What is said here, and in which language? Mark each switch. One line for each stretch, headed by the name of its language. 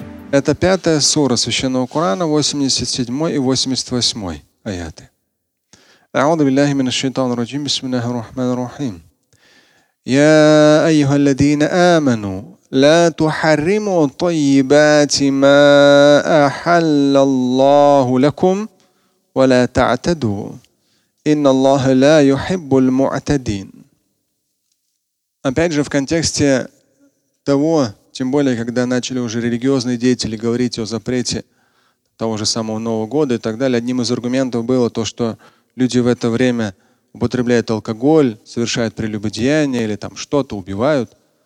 Russian: Это пятая сура Священного Корана, 87 и 88 аяты.
Arabic: أعوذ بالله من الشيطان الرجيم بسم الله الرحمن الرحيم يا أيها الذين آمنوا لا تحرموا طيبات ما أحل الله لكم ولا تعتدوا إن الله لا يحب المعتدين.
Russian: Опять же, в контексте того, тем более, когда начали уже религиозные деятели говорить о запрете того же самого Нового года и так далее, одним из аргументов было то, что люди в это время употребляют алкоголь, совершают прелюбодеяния или там что-то убивают.